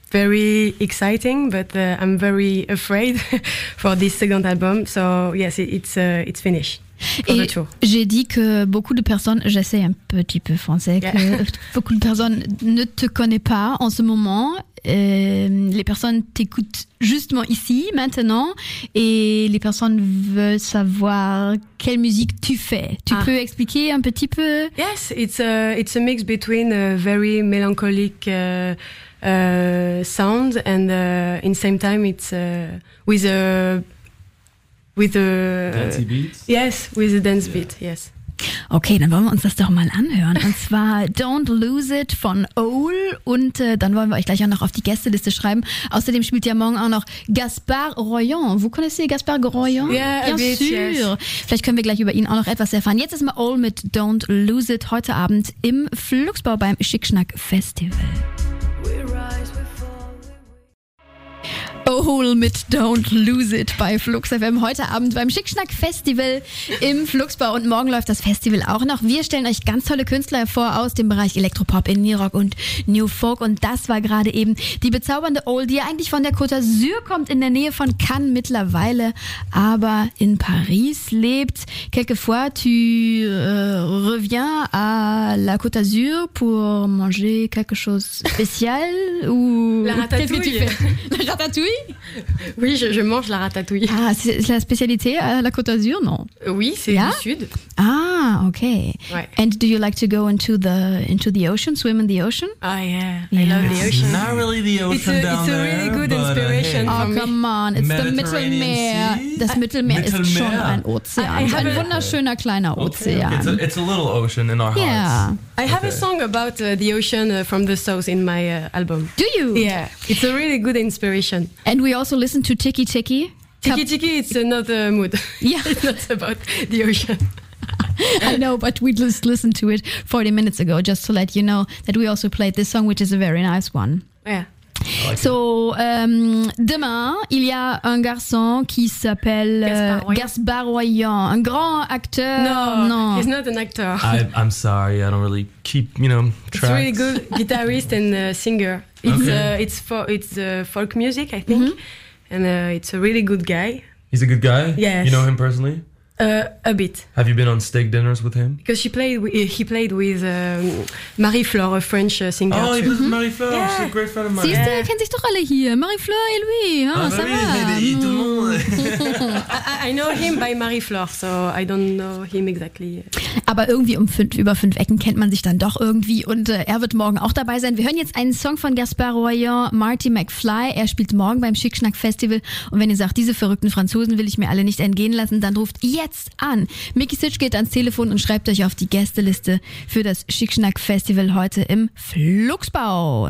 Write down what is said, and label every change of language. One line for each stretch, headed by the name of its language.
English: very exciting, but I'm very afraid for this second album. So yes, it's finished.
French: Et j'ai dit que beaucoup de personnes, j'essaie un petit peu français, que beaucoup de personnes ne te connaissent pas en ce moment. Les personnes t'écoutent justement ici, maintenant, et les personnes veulent savoir quelle musique tu fais. Tu peux expliquer un petit peu?
English: Yes, it's a mix between a very melancholic sound and in same time it's with a... With a dance beat? Yes, with a dance beat, yes.
German: Okay, dann wollen wir uns das doch mal anhören. Und zwar Don't Lose It von Owl. Und dann wollen wir euch gleich auch noch auf die Gästeliste schreiben. Außerdem spielt ja morgen auch noch Gaspard Royon.
French: Vous connaissez Gaspard Royon?
German: Ja,
English: yeah,
French: bien sûr.
English: Yes.
German: Vielleicht können wir gleich über ihn auch noch etwas erfahren. Jetzt ist mal Owl mit Don't Lose It heute Abend im Fluxbau beim Schickschnack Festival. Owl mit Don't Lose It bei Flux FM heute Abend beim Schickschnack Festival im Fluxbau und morgen läuft das Festival auch noch. Wir stellen euch ganz tolle Künstler vor aus dem Bereich Elektropop, Indie-Rock und New Folk und das war gerade eben die bezaubernde Owl, die ja eigentlich von der Côte d'Azur kommt, in der Nähe von Cannes mittlerweile, aber in Paris lebt.
French: Quelquefois tu reviens à la Côte d'Azur pour manger quelque chose spécial ou la ratatouille. Qu'est-ce que tu fais? La ratatouille. Oui, je mange la ratatouille. Ah, c'est la spécialité à la Côte d'Azur, non? Oui, c'est du sud. Ah, ok. Ouais.
English: And do you like to go into the ocean, swim in the ocean? Oh yeah, I love the ocean. Not really the ocean down there. It's a really good inspiration. Oh, come on, it's the Mittelmeer.
German: Das Mittelmeer ist schon ein Ozean. Ein wunderschöner kleiner Ozean.
English: It's a little ocean in our hearts. Yeah. I have a song about the ocean from the south in my album. Do you? Yeah, it's a really good inspiration. And we also listen to Tiki Tiki. Tiki Tiki, it's another mood. Yeah. It's not about the ocean. I know, but we just listened to it 40 minutes ago, just to let you know that we also played this song, which is a very nice one. Yeah. Like so,
French: demain, il y a un garçon qui s'appelle Gaspard Royon, un grand acteur.
English: No, he's not an actor. I'm sorry, I don't really keep, you know, tracks. It's a really good guitarist and singer. It's, okay. It's folk music, I think, and it's a really good guy. He's a good guy? Yes. You know him personally? A bit. Have you been on steak dinners with him? Because he played with Marie-Fleur, a French singer. Oh, too. He was Marie-Fleur. Yeah. She's a great friend of mine.
German: Siehst du, ihr kennt sich doch alle hier.
French: Marie-Fleur et lui. Oh, ah, ça oui, va.
English: I know him by Marie-Fleur, so I don't know him exactly.
German: Aber irgendwie über fünf Ecken kennt man sich dann doch irgendwie. Und er wird morgen auch dabei sein. Wir hören jetzt einen Song von Gaspard Royon, Marty McFly. Er spielt morgen beim Schickschnack-Festival. Und wenn ihr sagt, diese verrückten Franzosen will ich mir alle nicht entgehen lassen, dann ruft ihr jetzt an. Micky Sitsch geht ans Telefon und schreibt euch auf die Gästeliste für das Schickschnack-Festival heute im Fluxbau.